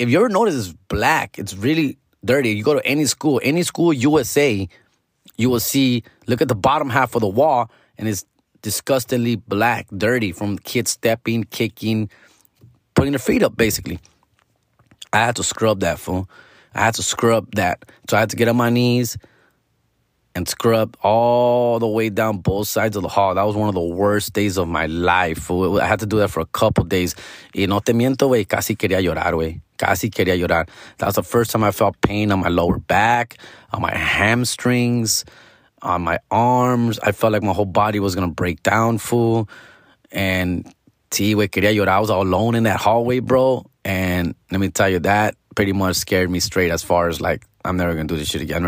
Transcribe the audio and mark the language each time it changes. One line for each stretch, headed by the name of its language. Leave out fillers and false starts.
English: If you ever notice, it's black. It's really dirty. You go to any school USA, you will see, look at the bottom half of the wall, and it's disgustingly black, dirty, from kids stepping, kicking, putting their feet up, basically. I had to scrub that, fool. I had to scrub that. So I had to get on my knees and scrub all the way down both sides of the hall. That was one of the worst days of my life, fool. I had to do that for a couple days.
Spanish: Y no te miento, wey, casi quería llorar, wey. Casi quería llorar.
English: That was the first time I felt pain on my lower back, on my hamstrings, on my arms. I felt like my whole body was going to break down, fool. And
Spanish: ti, wey, quería llorar.
English: I was all alone in that hallway, bro. And let me tell you, that pretty much scared me straight as far as, like, I'm never going to do this shit again.